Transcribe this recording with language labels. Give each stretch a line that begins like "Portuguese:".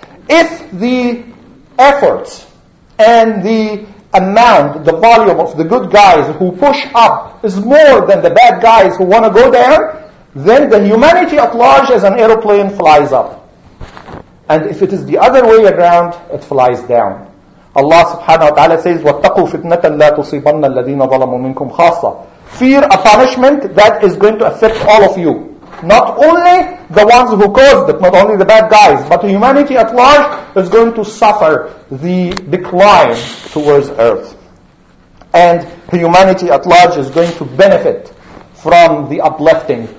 English: If the efforts and the amount, the volume of the good guys who push up is more than the bad guys who want to go down, then the humanity at large as an aeroplane flies up. And if it is the other way around, it flies down. Allah subhanahu wa ta'ala says,
Arabic: وَاتَّقُوا فِتْنَةً لَا تُصِيبَنَّ الَّذِينَ ظَلَمُوا مِنْكُمْ خَاصًا.
English: Fear a punishment that is going to affect all of you. Not only the ones who caused it, not only the bad guys, but humanity at large is going to suffer the decline towards earth. And humanity at large is going to benefit from the uplifting.